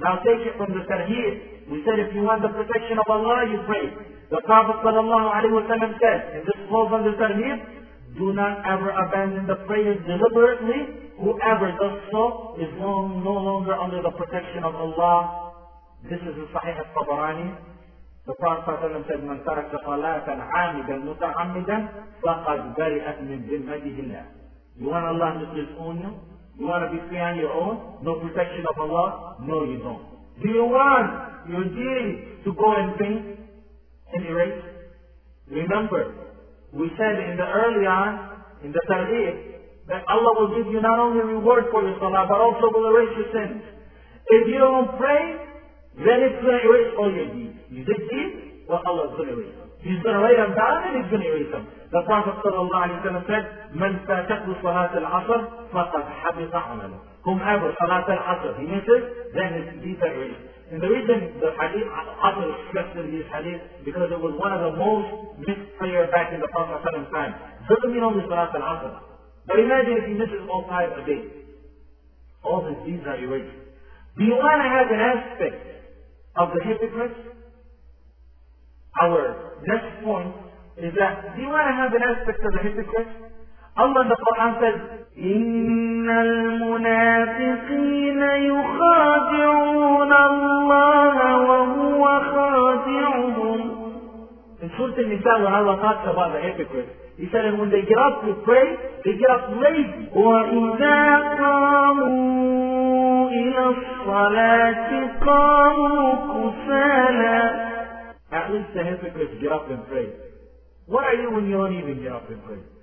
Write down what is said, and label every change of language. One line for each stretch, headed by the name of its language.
English: Now take it from the tarheer. We said if you want the protection of Allah, you pray. The Prophet sallallahu alaihi wasallam said, and this falls under tarheer, do not ever abandon the prayer deliberately. Whoever does so is no longer under the protection of Allah. This is in Sahih al-Tabarani. The Prophet said,
Arabic: من ترك صلاة عامدا متعمدا فقد برئت من ذمته الله.
English: You want Allah to disown you? You want to be free on your own? No protection of Allah? No, you don't. Do you want your deen to go in vain? Any rate? Remember, we said in the early on, in the tarheer, that Allah will give you not only reward for your salah, but also will erase your sins. If you don't pray, then it's going to erase all your deeds. You did deeds, well, Allah is going to erase them. He's going to write them down and He's going to erase them. The Prophet sallallahu alaihi wasallam said,
Arabic: من فاتته صلاة العصر فقد حبط عمله.
English: Whomever
Arabic: صلاة العصر
English: he misses, then his deeds are erased. And the reason the hadith, Abu stressed in this hadith, because it was one of the most missed prayers back in the Prophet sallallahu alaihi wasallam's time. Doesn't mean only Salat al-Asr. But imagine if he misses all five a day. All his deeds are erased. Do you want to have an aspect of the hypocrites? Our next point is that, do you want to have an aspect of the hypocrites? Allah in the Quran says,
Arabic: إِنَّ الْمُنَافِقِينَ يُخَادِعُونَ اللَّهَ وَهُوَ خَادِعُهُمْ.
English: In Surah An-Nisa, when Allah talks about the hypocrites, He said, and when they get up to pray, they get up lazy.
Arabic: وَإِذَا قَامُوا إِلَى الصَّلَاةِ قَامُوا كُسَالَى.
English: At least the hypocrites get up and pray. What are you when you don't even get up and pray?